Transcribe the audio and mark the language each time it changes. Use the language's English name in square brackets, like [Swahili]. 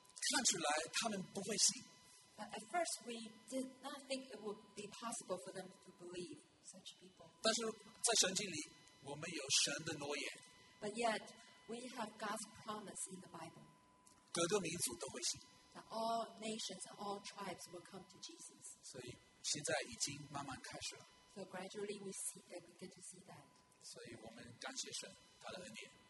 [Chinese] 所以开始看这样的人，就看出来他们不会信。 [English] But at first, we did not think it would be possible for them to believe such people. [Chinese] 但是在圣经里，我们有神的诺言。 [English] But yet, we have God's promise in the Bible. [Chinese] 各个民族都会信。 [English] That all nations and all tribes will come to Jesus. [Chinese] 所以现在已经慢慢开始了。 [English] So gradually we get to see that. [Chinese] 所以我们感谢神，他的恩典。